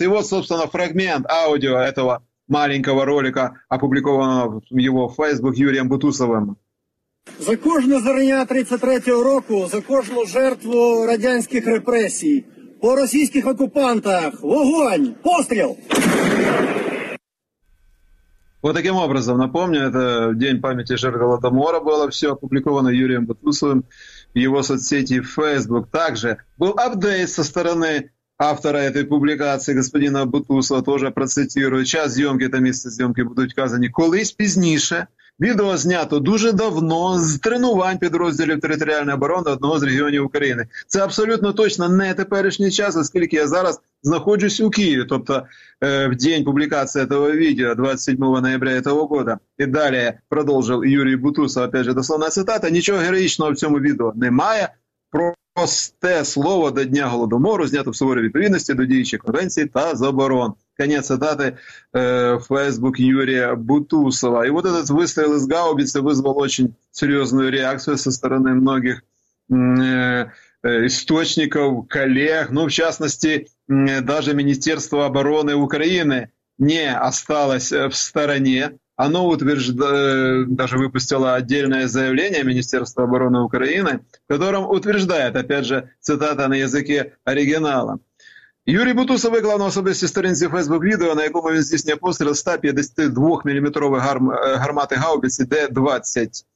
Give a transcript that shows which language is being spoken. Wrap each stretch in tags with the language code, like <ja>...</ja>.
<uk>І от,</uk> <ru>собственно, фрагмент аудіо этого маленького ролика, опубликованного в</ru> <uk>його Фейсбук Юрієм Бутусовим. «За кожну зерня 33-го року, за кожну жертву радянських репресій, по російських окупантах, вогонь, постріл!»</uk> <ru>Вот таким образом, напомню, это День памяти жертв Голодомора было все опубликовано Юрием Бутусовым в его соцсети Facebook. Также был апдейт со стороны автора этой публикации, господина Бутусова, тоже процитирую. Час съемки, это место съемки будут указаны.</ru> <uk>«Колись пізніше, відео знято дуже давно з тренувань підрозділів територіальної оборони одного з регіонів України». Це абсолютно точно не теперішній час, оскільки я зараз знаходжусь у Києві, тобто в день публікації цього відео,</uk> <ru>27 ноября</ru> <uk>цього року. І далі продовжив Юрій Бутусов,</uk> <ru>опять же, дословна цитата:</ru> <uk>«Нічого героїчного в цьому відео немає. Просте слово до Дня Голодомору знято в суворій відповідності до діючих конвенцій та заборон».</uk> <ru>Конец цитаты Facebook Юрия Бутусова. И вот этот выстрел из гаубицы вызвал очень серьезную реакцию со стороны многих источников, коллег. Ну, в частности, даже Министерство обороны Украины не осталось в стороне. Оно даже выпустило отдельное заявление Министерства обороны Украины, в котором утверждает, опять же, цитата на языке оригинала:</ru> <uk>«Юрій Бутусов виклав на особистій сторінці Фейсбук відео, на якому він здійснює постріл 152-мм гармати гаубиці Д-20.</uk>